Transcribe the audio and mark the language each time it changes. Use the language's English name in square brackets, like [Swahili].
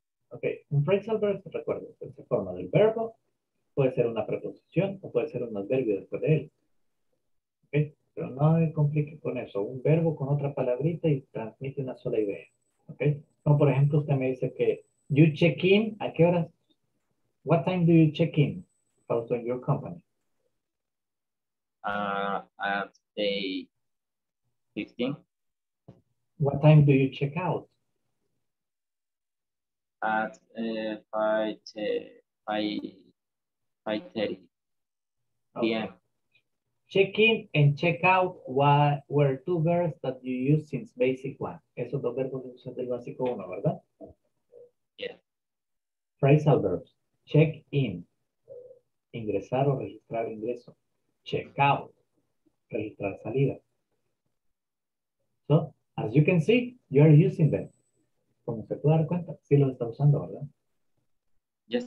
[Spanish] Ok, un phrasal verb, recuerdo, se forma del verbo, puede ser una preposición o puede ser un adverbio después de él. Ok, pero no me complique con eso. Un verbo con otra palabrita y transmite una sola idea. Ok, como por ejemplo usted me dice que [English] you check in, [Spanish] ¿a qué hora? [English] What time do you check in also in your company? At 8:15. What time do you check out? At 5:30 okay. p.m. Check in and check out were two verbs that you used since basic one. [Spanish] Esos dos verbos que usaste del básico uno, ¿verdad? Phrasal verbs, check in, ingresar o registrar ingreso, check out, registrar salida. [English] So, as you can see, you are using them. [Spanish] Como se puede dar cuenta, sí los está usando, ¿verdad?